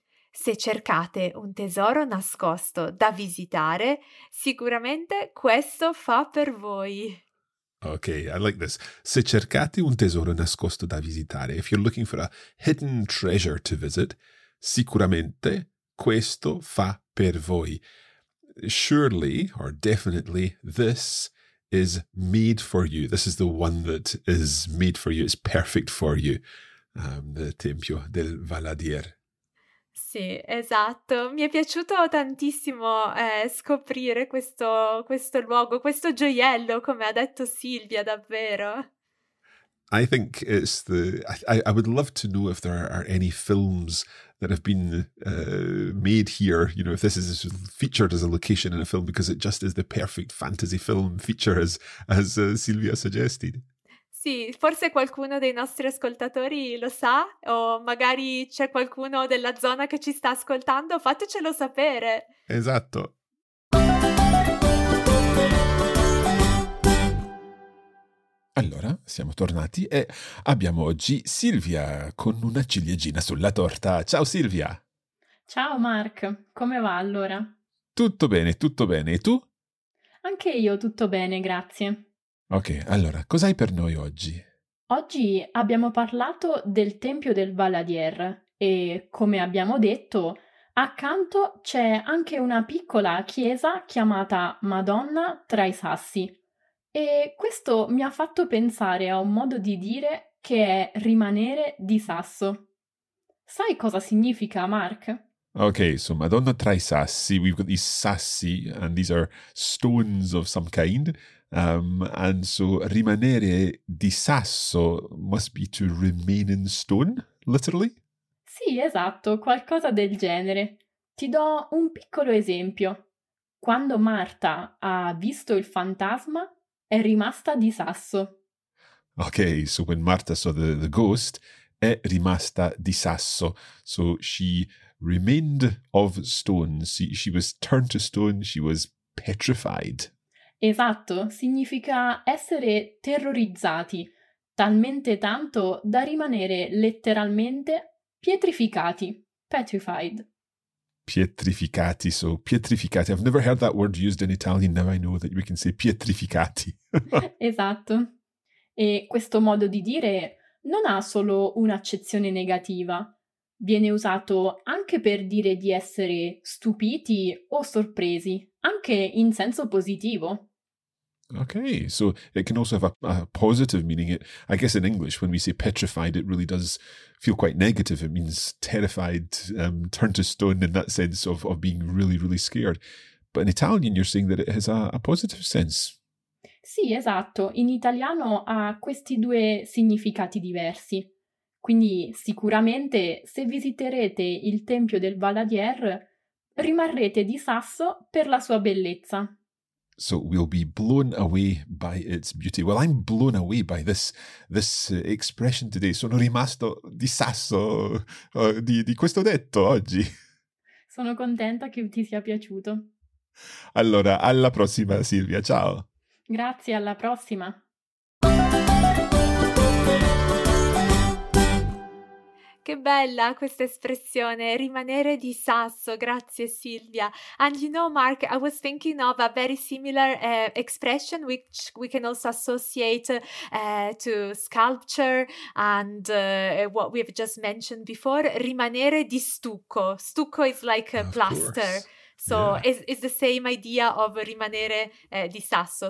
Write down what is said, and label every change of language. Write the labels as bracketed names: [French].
[Italian] Se cercate un tesoro nascosto da visitare, sicuramente questo fa per voi. [English] Ok, I like this. [Italian] Se cercate un tesoro nascosto da visitare, [English] if you're looking for a hidden treasure to visit, [Italian] sicuramente questo fa per voi. [English] Surely, or definitely, this is made for you. This is the one that is made for you. It's perfect for you. The Tempio del Valadier. [Italian] Sì, esatto. Mi è piaciuto tantissimo scoprire questo luogo, questo gioiello, come ha detto Silvia, davvero. [English] I think it's the... I would love to know if there are any films that have been made here, you know, if this is featured as a location in a film, because it just is the perfect fantasy film feature, as Silvia suggested. [Italian] Sì, forse qualcuno dei nostri ascoltatori lo sa, o magari c'è qualcuno della zona che ci sta ascoltando, fatecelo sapere. Esatto. Allora, siamo tornati e abbiamo oggi Silvia con una ciliegina sulla torta. Ciao Silvia! Ciao Mark, come va allora? Tutto bene, tutto bene. E tu? Anche io tutto bene, grazie. Ok, allora, cos'hai per noi oggi? Oggi abbiamo parlato del Tempio del Valadier e, come abbiamo detto, accanto c'è anche una piccola chiesa chiamata Madonna tra i Sassi. E questo mi ha fatto pensare a un modo di dire che è rimanere di sasso. Sai cosa significa, Mark? [English] Ok, so Madonna tra i Sassi, we've got these sassi and these are stones of some kind. And so [Italian] rimanere di sasso [English] must be to remain in stone, literally? [Italian] Sì, esatto, qualcosa del genere. Ti do un piccolo esempio. Quando Marta ha visto il fantasma, è rimasta di sasso. [English] Ok, so when Marta saw the ghost, [Italian] è rimasta di sasso. [English] So she remained of stone. She was turned to stone, she was petrified. [Italian] Esatto, significa essere terrorizzati, talmente tanto da rimanere letteralmente pietrificati, petrified. [English] Pietrificati, so pietrificati. I've never heard that word used in Italian, now I know that we can say pietrificati. [Italian] Esatto. E questo modo di dire non ha solo un'accezione negativa. Viene usato anche per dire di essere stupiti o sorpresi, anche in senso positivo. [English] Okay, so it can also have a positive meaning. It, I guess in English, when we say petrified, it really does feel quite negative. It means terrified, turned to stone in that sense of being really, really scared. But in Italian, you're saying that it has a positive sense. [Italian] Sì, esatto. In italiano ha questi due significati diversi. Quindi sicuramente se visiterete il Tempio del Valadier, rimarrete di sasso per la sua bellezza. [English] So we'll be blown away by its beauty. Well, I'm blown away by this expression today. [Italian] Sono rimasto di sasso di questo detto oggi. Sono contenta che ti sia piaciuto. Allora, alla prossima Silvia, ciao. Grazie, alla prossima. Che bella questa espressione, rimanere di sasso, grazie Silvia. [English] And you know, Mark, I was thinking of a very similar expression which we can also associate to sculpture and what we've just mentioned before, [Italian] rimanere di stucco. [English] Stucco is like a plaster. So it's the same idea of [Italian] rimanere di sasso.